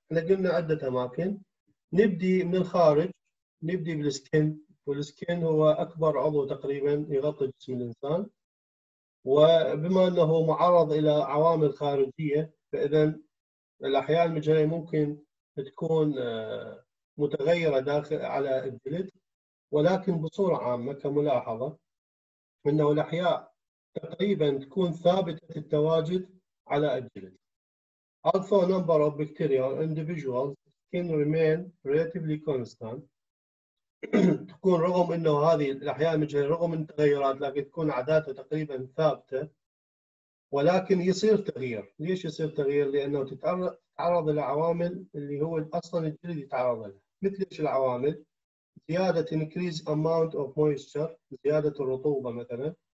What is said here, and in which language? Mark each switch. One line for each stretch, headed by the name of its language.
Arabic: احنا قلنا عدة أماكن، نبدي من الخارج، نبدي بالسكن، والسكن هو أكبر عضو تقريبا يغطي جسم الإنسان، وبما أنه معرض إلى عوامل خارجية فإذا الأحياء المجهرية ممكن تكون متغيرة داخل على الجلد، ولكن بصورة عامة كملاحظة أنه الأحياء تقريبا تكون ثابتة التواجد على الجلد.
English: Also number of bacterial individuals can remain relatively constant.
Arabic: تكون رغم انه هذه الاحياء المجهرية رغم من التغيرات لكن تكون عاداتها تقريبا ثابتة. ولكن يصير تغيير، ليش يصير تغيير؟ لانه تتعرض لعوامل اللي هو اصلا الجلد يتعرض لها. مثل ايش العوامل؟ زيادة
English: increase amount of moisture،
Arabic: زيادة الرطوبة مثلا.